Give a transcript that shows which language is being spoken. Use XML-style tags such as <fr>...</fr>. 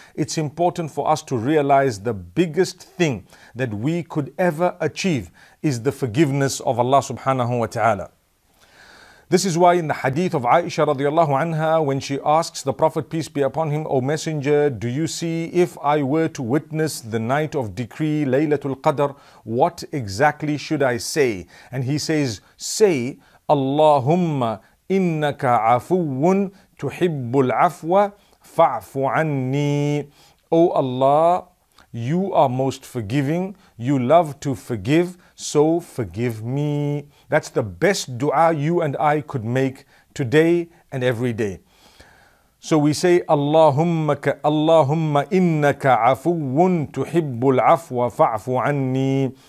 <en>It's important for us to realize the biggest thing that we could ever achieve is the forgiveness of Allah subhanahu wa ta'ala. This is why in the hadith of Aisha radiallahu anha, when she asks the Prophet, peace be upon him, O Messenger, do you see if I were to witness the night of decree, Laylatul Qadr, what exactly should I say? And he says, say,</en> <ar>Allahumma, إِنَّكَ عَفُوٌّ تُحِبُّ الْعَفْوَ فَعْفُ عَنِّي.</ar> <en>O Allah, you are most forgiving. You love to forgive, so forgive me. That's the best dua you and I could make today and every day. So we say,</en> <ar>Allahumma innaka afuun tuhibbul afwa fa'afu anni.</ar>